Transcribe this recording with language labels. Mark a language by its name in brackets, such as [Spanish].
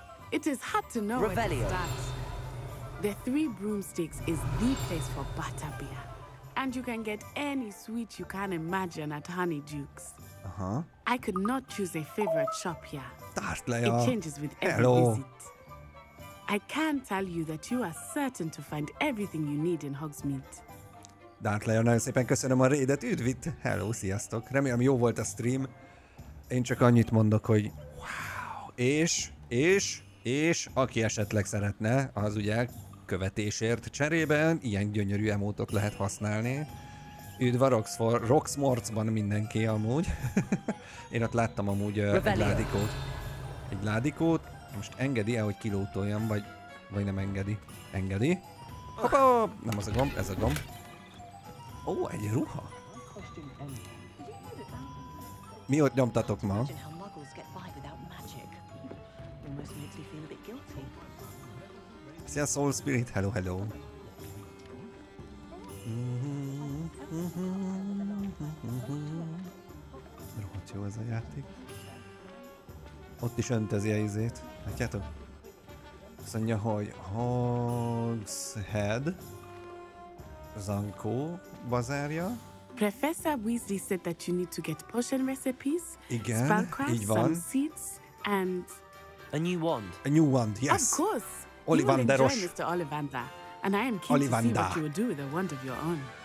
[English] It is hard to know where to start. The Three Broomsticks is the place for butterbeer. And you can get any sweet you can imagine at Honeydukes. Uh-huh. I could not choose a favorite shop here. Tart le, ja. It changes with every visit. I can tell you that you are certain to find everything you need in Hogsmeade. [Hungarian] Dát Leon, nagyon szépen köszönöm a raidet, üdvitt! Hello, sziasztok! Remélem jó volt a stream. Én csak annyit mondok, hogy wow! És aki esetleg szeretne, az ugye követésért cserében ilyen gyönyörű emótot lehet használni. Üdv a Roxmortban mindenki amúgy. Én ott láttam amúgy ládikót. Egy ládikót. Most engedi-e, hogy kilótoljam, vagy nem engedi? Engedi. Hoppá! Nem az a gomb, ez a gomb. Ó, egy ruha. Mi ott nyomtatok ma? Szia, Soul Spirit, hello, hello. Rohadt jó ez a játék. Ott is öntözi a izét. Látjátok? Azt mondja, hogy Hogshead. Zankó bazárja. [English] Professor Weasley said that you need to get potion recipes. [Hungarian] Igen, spellcraft, így van. [English] Some seeds and a new wand. A new wand, yes. Of course. Ollivanderos. You will enjoy Mr. Ollivander, and I am keen Ollivander. To see what you will do with a wand of your own.